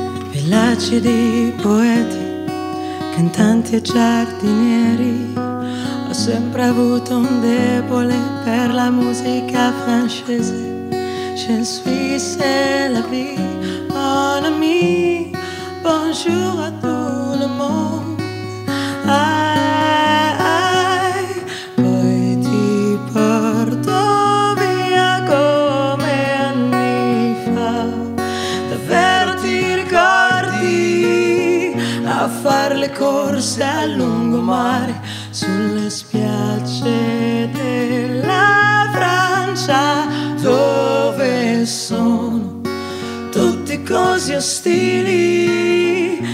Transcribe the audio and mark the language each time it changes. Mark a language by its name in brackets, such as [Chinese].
[Italian] Villaggi di poeti, cantanti e giardinieri, sempre avuto un debole per la musica francese. [French] Je suis la vie, mon ami, bonjour à tout le monde. [Italian] Ai, poi ti porto via come anni fa. Davvero ti ricordi a far le corse a lungomare sulle spiagge della Francia, dove sono tutti così ostili.